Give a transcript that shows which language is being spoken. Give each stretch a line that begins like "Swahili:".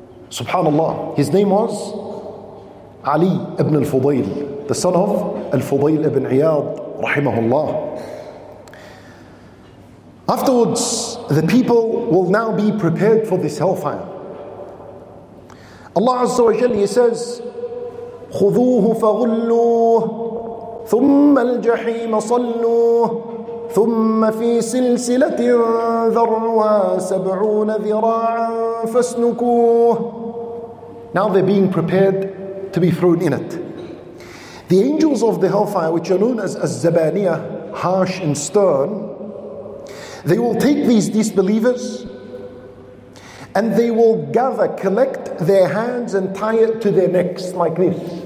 English: Subhanallah, his name was Ali ibn al-Fudayl, the son of al-Fudayl ibn Iyad, rahimahullah. Afterwards, the people will now be prepared for this hellfire.
Arabic: Allah Azza wa Jalla,
English: He says,
Arabic: خُذُوهُ فَغُلُّوهُ ثُمَّ الْجَحِيمَ صَلُّوهُ ثُمَّ فِي سِلْسِلَةٍ ذَرْعُهَا 70 ذِرَاعًا فَاسْنُكُوهُ.
English: Now they're being prepared to be thrown in it. The angels of the hellfire, which are known as Az-Zabaniyah, harsh and stern, they will take these disbelievers and they will gather, collect their hands and tie it to their necks like this.